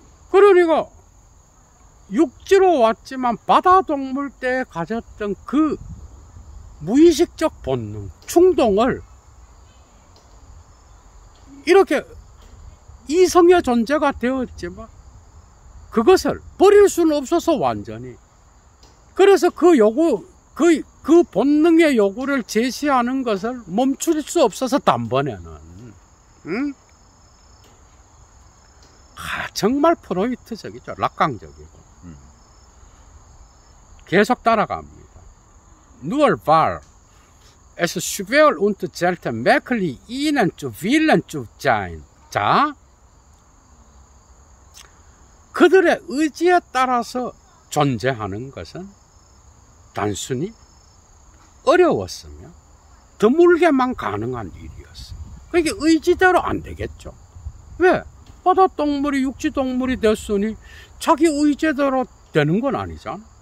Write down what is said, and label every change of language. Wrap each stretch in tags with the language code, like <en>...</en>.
<ko>그러니까 육지로 왔지만 바다 동물 때 가졌던 그 무의식적 본능, 충동을 이렇게 이성의 존재가 되었지만 그것을 버릴 수는 없어서 완전히. 그래서 그 요구, 그 본능의 요구를 제시하는 것을 멈출 수 없어서 단번에는. 응? 아, 정말 프로이트적이죠. 락강적이고. 계속 따라갑니다.</ko> <de>Nur war es schwer und selten merklich ihnen zu willen zu sein.</de> <ko>자, 그들의 의지에 따라서 존재하는 것은 단순히 어려웠으며 드물게만 가능한 일이었어요. 그게 의지대로 안 되겠죠. 왜? 바닷동물이 육지동물이 됐으니 자기 의지대로 되는 건 아니잖아.</ko>